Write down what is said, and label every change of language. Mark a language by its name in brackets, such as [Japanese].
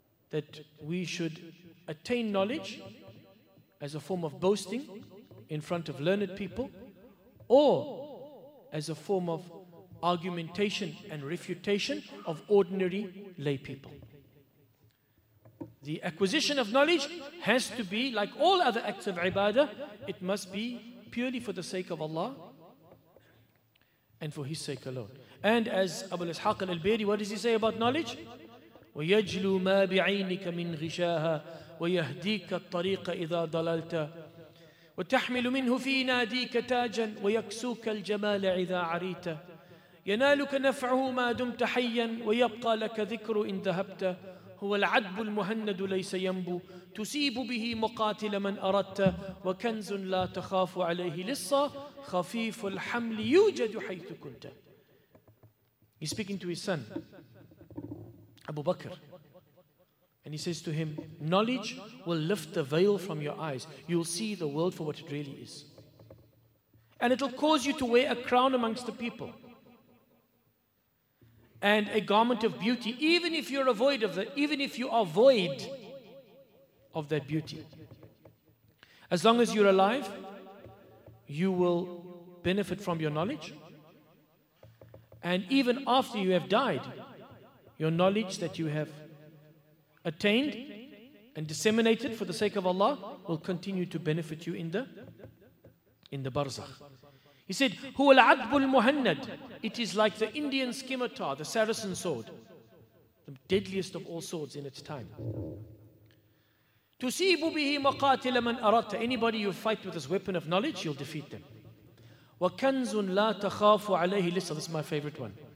[English] That we should attain knowledge as a form of boasting in front of learned people or as a form of argumentation and refutation of ordinary lay people. The acquisition of knowledge has to be, like all other acts of ibadah, it must be purely for the sake of Allah and for His sake alone. And as Abu al-Ishaq al-Albiri, what does he say about knowledge? [Arabic] وَيَجْلُو مَا بِعَيْنِكَ مِنْ غِشَاهَا وَيَهْدِيكَ الطَّرِيقَ إِذَا ضَلَلْتَ وَتَحْمِلُ مِنْهُ فِي نَادِيكَ تَاجًا وَيَكْسُوكَ الْجَمَالَ إِذَا عَرِيتَ يَنَالُكَ نَفْعُهُ مَا دُمْتَ حَيًّا وَيَبْقَى لَكَ ذِكْرُ إِنْ ذَهَبْتَ هو العدب المهند ليس ينبو تسيب به مقاتل من أردت وكنز لا تخاف عليه لصة خفيف الحمل يوجد حيث كنت. [English] He's speaking to his son Abu Bakr, and he says to him, knowledge will lift the veil from your eyes. You'll see the world for what it really is, and it'll cause you to wear a crown amongst the people and a garment of beauty, even if you're void of that, even if you are void of that beauty. As long as you're alive, you will benefit from your knowledge. And even after you have died, your knowledge that you have attained and disseminated for the sake of Allah will continue to benefit you in the barzakh. He said, [Arabic] هو العدب المهند. [English] It is like the Indian scimitar, the Saracen sword, the deadliest of all swords in its time. [Arabic] تُسِيبُ بِهِ مَقَاتِلَ مَنْ أَرَدْتَ. [English] Anybody you fight with this weapon of knowledge, you'll defeat them. [Arabic] وَكَنْزٌ لَا تَخَافُ عَلَيْهِ لِسَّ. [English] This is my favorite one.